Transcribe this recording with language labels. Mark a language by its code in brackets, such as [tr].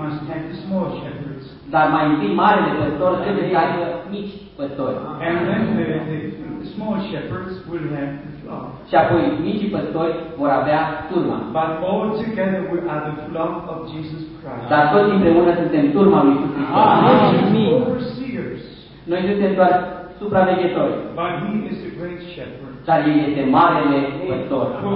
[ro] Descoperirea lui este descoperirea noastră. Dar mai întâi marele păstori trebuie să aibă mici păstori. [en] And then the small shepherds will have the flock. [ro] Și apoi micii păstori vor avea turma. [en] But all together we are the flock of Jesus Christ. [ro] Dar toți împreună suntem turma lui Iisus [en] Hristos. Overseers. [ro] Noi suntem doar supraveghetori. [en] But he is the great shepherd. [ro] Dar el este marele păstor.